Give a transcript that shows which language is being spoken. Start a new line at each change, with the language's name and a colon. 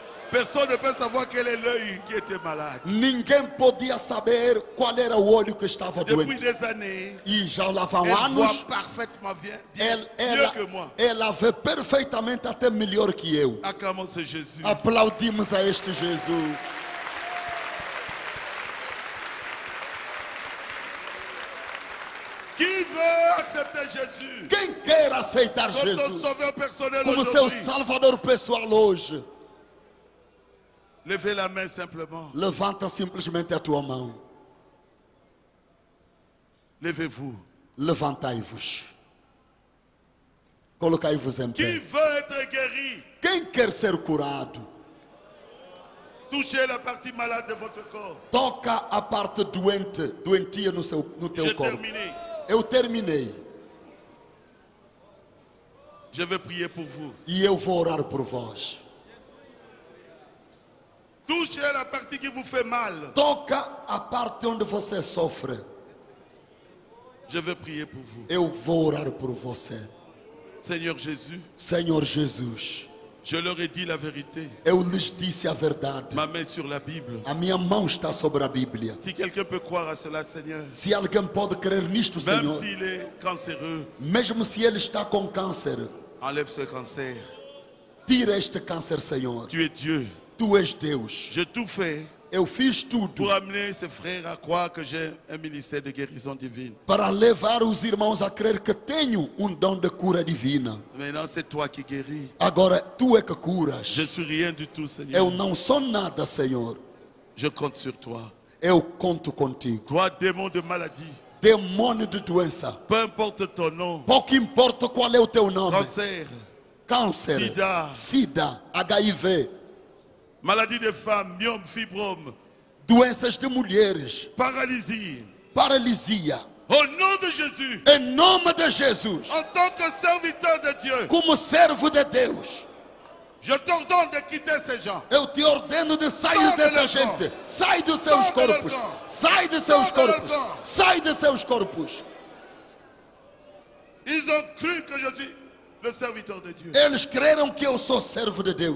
French: Personne ne peut savoir quel est l'œil qui était malade.
Portuguese: Ninguém podia saber qual era o olho que estava doente.
French: Depuis des années.
Portuguese: E já lá vão
French: elle
Portuguese: anos.
French: Voit parfaitement bien,
Portuguese: ela,
French: que moi.
Portuguese: Ela vê perfeitamente até melhor que eu.
French: Aclamons ce Jésus.
Portuguese: Aplaudimos a este Jesus.
French: Qui veut accepter Jésus?
Portuguese: Quem quer aceitar
French: comme
Portuguese: Jesus?
French: Son sauveur personnel
Portuguese: como
French: aujourd'hui.
Portuguese: Seu salvador pessoal hoje.
French: Levez la main simplement.
Portuguese: Levanta simplesmente a tua mão.
French: Levez-vous.
Portuguese: Levantai-vos. Colocai-vos em pé.
French: Qui veut être guéri?
Portuguese: Quem quer ser curado?
French: Touchez la partie malade de votre corps.
Portuguese: Toca a parte doente, doentia no seu, no teu corpo. Eu terminei.
French: Je vais prier pour vous.
Portuguese: E eu vou orar por vós.
French: Touche la partie qui vous fait mal.
Portuguese: Toca a parte onde você sofre.
French: Je vais prier pour vous.
Portuguese: Eu vou orar por você.
French: Seigneur Jésus.
Portuguese: Senhor Jesus.
French: Je leur ai dit la vérité.
Portuguese: Eu lhes disse a verdade.
French: Ma main sur la Bible.
Portuguese: A minha mão está sobre a Bíblia.
French: Si quelqu'un peut croire à cela, Seigneur.
Portuguese: Se alguém pode crer nisto,
French: même
Portuguese: Senhor.
French: Même s'il est cancéreux.
Portuguese: Mesmo se ele está com câncer.
French: Enlève ce cancer.
Portuguese: Tire este câncer, Senhor.
French: Tu es Dieu.
Portuguese: Tu es Deus.
French: J'ai tout fait.
Portuguese: Eu fiz tudo.
French: Pour amener ses frères à croire que j'ai un ministère de guérison divine.
Portuguese: Para levar os irmãos a crer que tenho dom de cura divina.
French: Maintenant c'est toi qui guéris.
Portuguese: Agora tu é que curas.
French: Je suis rien du tout, Seigneur.
Portuguese: Eu não sou nada, Senhor.
French: Je compte sur toi.
Portuguese: Eu conto contigo.
French: Toi démon de maladie.
Portuguese: Demônio de doença.
French: Peu importe ton nom.
Portuguese: Pouco importa qual é o teu nome.
French: Cancer.
Portuguese: Câncer.
French: Sida.
Portuguese: Sida. HIV.
French: Maladie de femmes, myome, fibrome.
Portuguese: Doenças de mulheres.
French: Paralysie.
Portuguese: Paralisia.
French: Au nom de Jésus.
Portuguese: Em nome de Jesus.
French: En tant que serviteur de Dieu.
Portuguese: Como servo de Deus.
French: Je t'ordonne de quitter ces gens.
Portuguese: Eu te ordeno de sair dessa gente. Sai dos seus corpos. Sai dos seus corpos. Sai dos seus corpos.
French: Ils ont cru que je suis le serviteur de Dieu.
Portuguese: Eles creram que eu sou servo de Deus.